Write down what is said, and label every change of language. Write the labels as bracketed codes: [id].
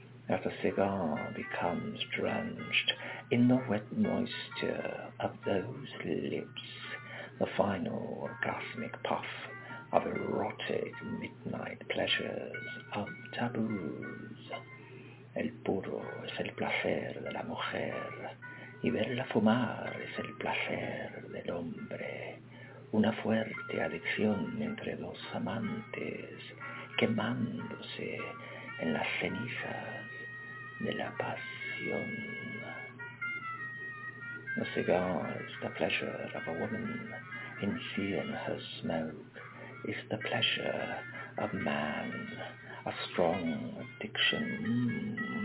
[en] As the cigar becomes drenched in the wet moisture of those lips, the final orgasmic puff of erotic midnight pleasures of taboos. [es] El puro es el placer de la mujer, y verla fumar es el placer del hombre. Una fuerte adicción entre dos amantes, quemándose en las cenizas de la pasión. [en] The cigar is the pleasure of a woman, in seeing her smoke is the pleasure of man, a strong addiction.